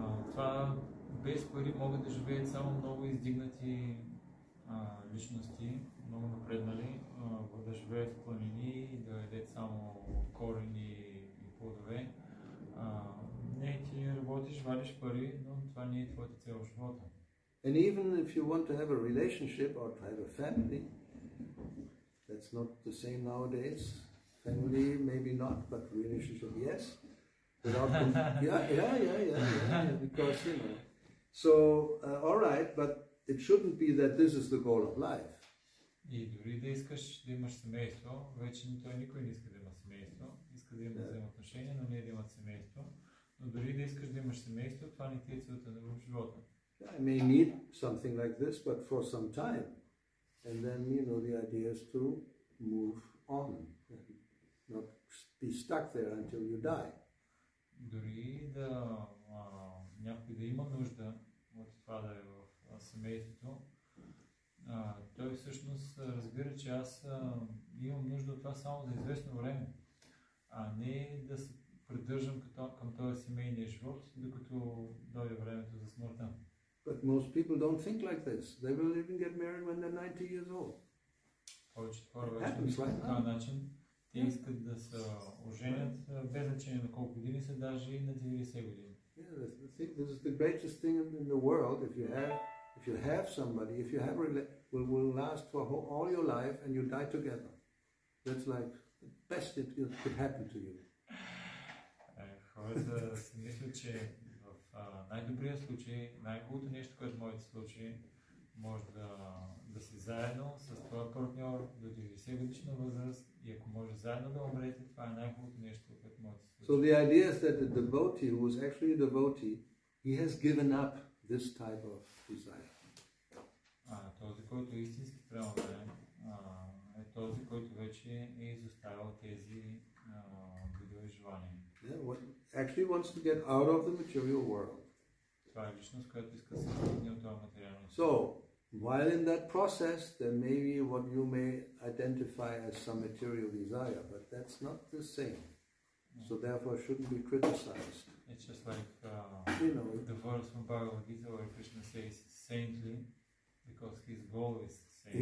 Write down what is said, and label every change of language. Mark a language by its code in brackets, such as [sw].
[bg] Това без пари могат да живеят само много издигнати личности, много напреднали, да живеят в планини и да ядат само корени и плодове. Не, ти работиш, вадиш пари, но това не е твоята цяло живота. [en] And even if you want to have a relationship or to have a family, that's not the same nowadays. Family, maybe not, but relationship, yes. Without them, yeah. Because, you know. So, all right, but it shouldn't be that this is the goal of life. [bg] И дори да искаш да имаш семейство, вече той никой не иска да има семейство. Иска да има взаимоотношения, но не да имат семейство. Но дори да искаш да имаш семейство, това не ти е целта в живота. [en] I may need something like this, but for some time. And then, you know, the idea is to move on, not be stuck there until you die. [bg] Дори да някой да има нужда от това да е в семейството, той всъщност разбира, че аз имам нужда от това само за известно време, а не да се придържам към този семейния живот, докато дойде времето за смъртта. [en] But most people don't think like this. They will even get married when they're 90 years old. [bg] Повечето хора вече мислят по този начин. Те искат да се оженят без значение на колко години са, даже и на 90 години. [en] Yeah, this is the greatest thing in the world. If you have somebody, if you have a relationship, will last for all your life and you die together. That's like the best it could happen to you. [bg] Ехо, хората си мислят, че в най-добрия случай, най-хубавото нещо, което може да се случи, може да си заедно с твоя партньор до 90 годишна възраст и ако може заедно да умрете, това е най-хубавото нещо, което може да се случи. [en] So the idea is that the devotee, who is actually a devotee, he has given up this type of desire. [bg] Този, който истински преобразен, е този, който вече е изоставил тези видове желания. [en] Actually wants to get out of the material world. [bg] Това е личност, която иска да се отърне от това материално. [en] So, while in that process, there may be what you may identify as some material desire, but that's not the same. So therefore, shouldn't be criticized. It's just like you know, the verse from Bhagavad Gita where Krishna says saintly, because his goal is saintly.